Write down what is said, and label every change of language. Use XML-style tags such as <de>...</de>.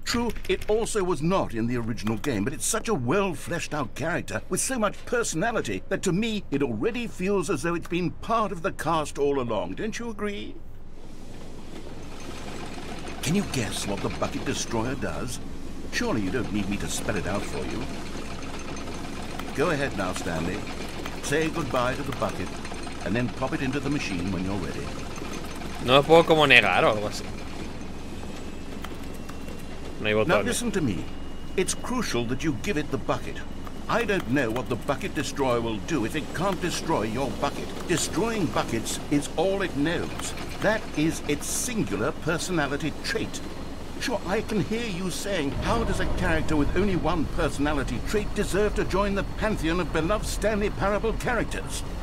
<en>True, it also was not in the original game, but it's such a well-fleshed-out character with so much personality that to me, it already feels as though it's been part of the cast all along. Don't you agree? Can you guess what the Bucket Destroyer does? Surely you don't need me to spell it out for you. Go ahead now, Stanley. Say goodbye to the bucket, and then pop it into the machine when you're ready.</en> <es>No lo puedo como negar o algo así. No hay botón.</es> <en>Now listen to me. It's crucial that you give it the bucket. I don't know what the Bucket Destroyer will do if it can't destroy your bucket. Destroying buckets is all it knows. That is its singular personality trait. Sure, I can hear you saying, how does a character with only one personality trait deserve to join the pantheon of beloved Stanley Parable characters?</en>